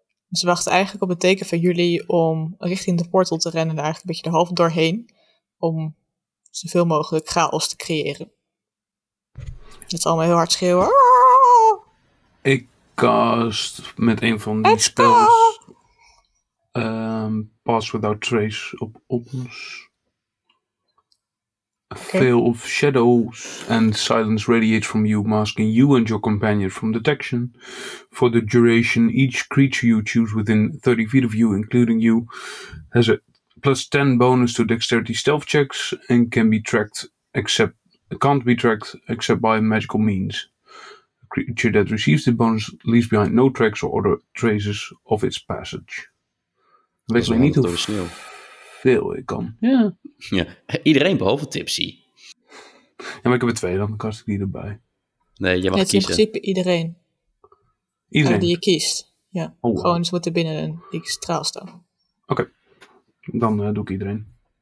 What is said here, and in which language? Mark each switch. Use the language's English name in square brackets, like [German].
[Dutch] Ze wachten eigenlijk op het teken van jullie om richting de portal te rennen en eigenlijk een beetje de half doorheen om zoveel mogelijk chaos te creëren. Het is allemaal heel hard schreeuwen. Ik cast met een van die spells Pass Without Trace op ons. Okay. [English] Veil of shadows and silence radiates from you, masking you and your companion from detection. For the duration, each creature you choose within 30 feet of you, including you, has a +10 bonus to dexterity stealth checks and can't be tracked except by magical means. A creature that receives the bonus leaves behind no tracks or other traces of its passage. [Dutch] Basically, need to veel ik kan. Ja. Iedereen behalve Tipsy. Ja, maar ik heb er 2, dan kast ik die erbij. Nee, je mag het kiezen. Het is in principe iedereen. Iedereen? Die je kiest. Ja. Oh, wow. Gewoon, ze moeten binnen een straalstaf. Oké. Dan doe ik iedereen.